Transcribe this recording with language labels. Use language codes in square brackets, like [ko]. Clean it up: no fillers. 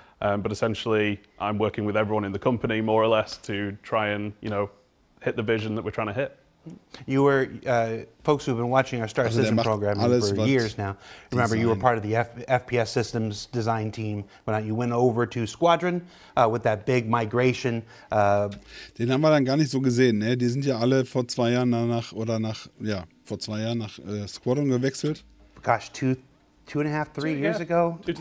[en] But essentially I'm working with everyone in the company more or less to try and, you know, hit the vision that we're trying to hit. You were, folks who've been watching our Star Citizen program for years now, remember design. You were part of the FPS systems design team. When you went over to Squadron with that big migration. [de] Den haben wir dann gar nicht so gesehen. Ne? Die sind ja alle vor zwei Jahren nach Squadron gewechselt. [en] Gosh, two and a half, three years ago?